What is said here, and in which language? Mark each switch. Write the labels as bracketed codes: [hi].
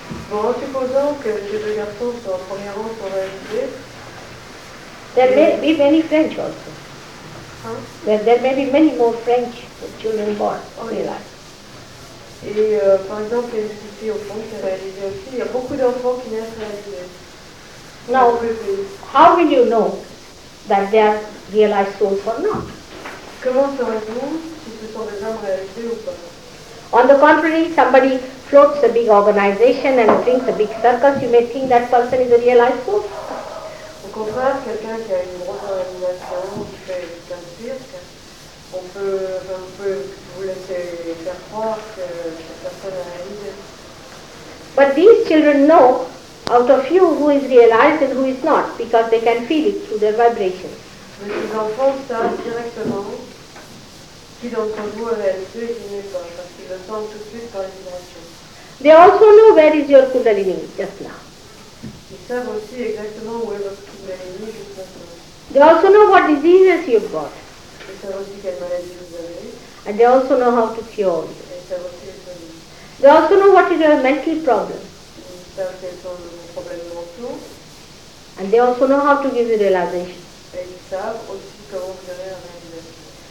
[fr] Bon, en supposant que les deux garçons sont en premier rang pour réaliser. [en] There may be many French also. Hein? There may be many more French children born. Oh, yes. [fr] Et par exemple, il y a une petite fille au fond qui a réalisé aussi. Il y a beaucoup d'enfants qui naissent réalisés. [en] Now, how will you know that they are realized souls or not? [fr] Comment saurez-vous si ce sont des hommes réalisés ou pas? [en] On the contrary, somebody floats a big organization and drinks a big circus, you may think that person is a realized soul. [fr] Au contraire, quelqu'un qui a une grosse organisation, qui fait un cirque, on peut vous laisser faire croire que cette personne est réalisée. [en] But these children know out of you who is realized and who is not, because they can feel it through their vibrations. [fr] Mais ces enfants savent directement qui d'entre vous est réalisé et qui n'est pas, parce qu'ils le sentent tout de suite par les vibrations. [en] They also know where is your Kundalini just now. [fr] Ils savent aussi exactement où est votre Kundalini juste maintenant. [en] They also know what diseases you've got. [fr] Ils savent aussi quelles maladies vous avez. [en] And they also know how to cure you. [fr] Ils savent aussi les problèmes. [en] They also know what is your mental problem. [fr] Ils savent quels sont vos problèmes mentaux. [en] And they also know how to give you realization. [fr] Et ils savent aussi comment vous avez la réalisation.